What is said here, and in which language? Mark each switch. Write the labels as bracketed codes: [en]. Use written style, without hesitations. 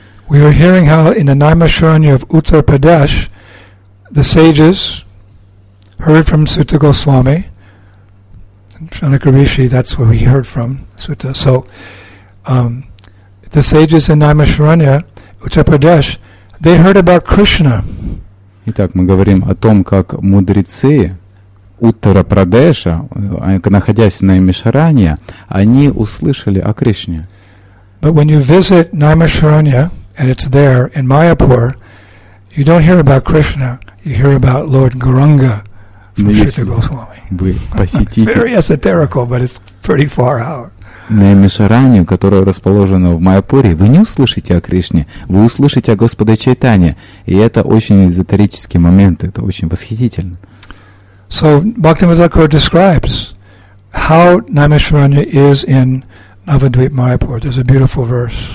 [en] We are hearing how in the Naimisharanya of Uttar Pradesh, the sages heard from Sutta Goswami, Shanaka Rishi, that's where we heard from Sutta. So, the sages in Naimisharanya, Uttar Pradesh, they heard about Krishna. [ru] Итак, мы говорим о том, как мудрецы Уттара Прадеша, находясь на Наймишаранья, они услышали о Кришне. [en] But when you visit Naimisharanya, and it's there in Mayapur, you don't hear about Krishna, you hear about Lord Gauranga from Sita Goswami. It's very esoterical, but it's pretty far out. [ru] Наймишаранью, которая расположена в Майяпуре, вы не услышите о Кришне, вы услышите о Господе Чайтанье. И это очень эзотерический момент, это очень восхитительно. [en] So, Bhaktivinoda Thakur describes how Наймишаранья is in Navadvip Mayapur. There's a beautiful verse.